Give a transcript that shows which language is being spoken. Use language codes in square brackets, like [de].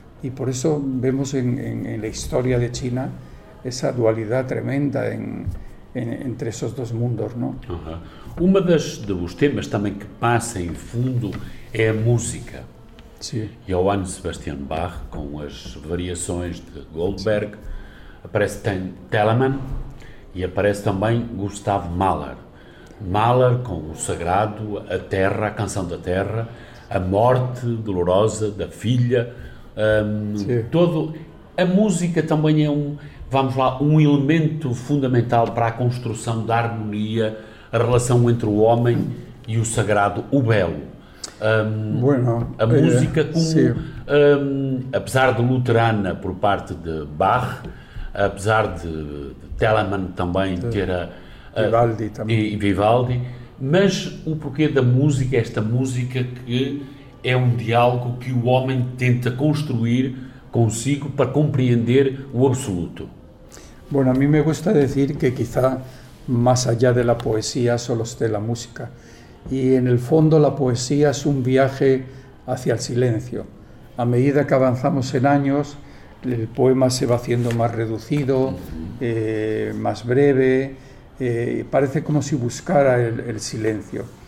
[es] Y por eso vemos en la historia de China esa dualidad tremenda entre esos dos mundos, ¿no? Uno de los temas también que pasa en fondo es la música. Sí. Johann Sebastian Bach, con las variaciones de Goldberg, aparece también Telemann y aparece también Gustav Mahler. [pt] Mahler con o sagrado, a terra, a canção da terra, a morte dolorosa da filha. Todo a música também é um elemento fundamental para a construção da harmonia, a relação entre o homem e o sagrado, o belo. Bueno, a música como, sí. Apesar de luterana por parte de Bach, apesar de Telemann também ter Vivaldi também. E Vivaldi, mas o porquê da música, esta música que é um diálogo que o homem tenta construir consigo para compreender o absoluto? [es] Bueno, a mí me gusta decir que quizá más allá de la poesía solo esté la música. Y en el fondo la poesía es un viaje hacia el silencio. A medida que avanzamos en años, el poema se va haciendo más reducido, más breve, parece como si buscara el silencio.